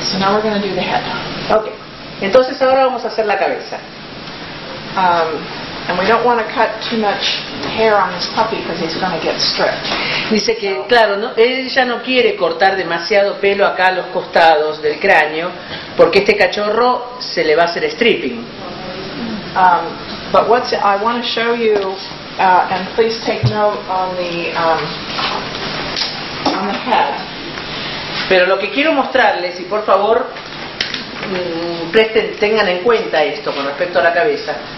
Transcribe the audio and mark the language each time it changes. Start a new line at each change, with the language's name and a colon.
English: So now we're going to do the head.
Spanish: Okay. Entonces ahora vamos a hacer la cabeza.
English: And we don't want to cut too much hair on this puppy because he's going to get stripped.
Spanish: Dice que, claro, no, ella no quiere cortar demasiado pelo acá a los costados del cráneo porque este cachorro se le va a hacer stripping.
English: But what's it, I want to show you, and please take note on the head.
Spanish: Pero lo que quiero mostrarles, y por favor, presten, tengan en cuenta esto con respecto a la cabeza.